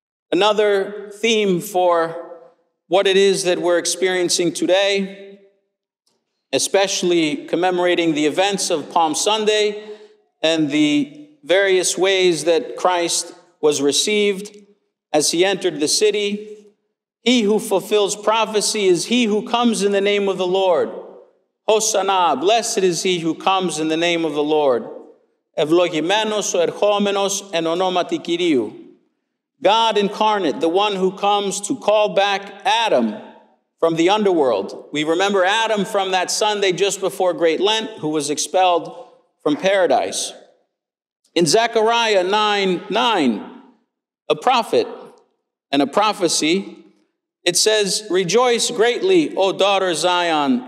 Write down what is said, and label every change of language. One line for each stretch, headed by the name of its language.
English: Another theme for what it is that we're experiencing today, especially commemorating the events of Palm Sunday and the various ways that Christ was received as he entered the city. He who fulfills prophecy is he who comes in the name of the Lord. Hosanna, blessed is he who comes in the name of the Lord.
Greek: Ευλογημένος ο ερχόμενος εν ονόματι Κυρίου.
English: God incarnate, the one who comes to call back Adam from the underworld. We remember Adam from that Sunday just before Great Lent, who was expelled from paradise. In Zechariah 9:9, a prophet and a prophecy, it says, "Rejoice greatly, O daughter Zion.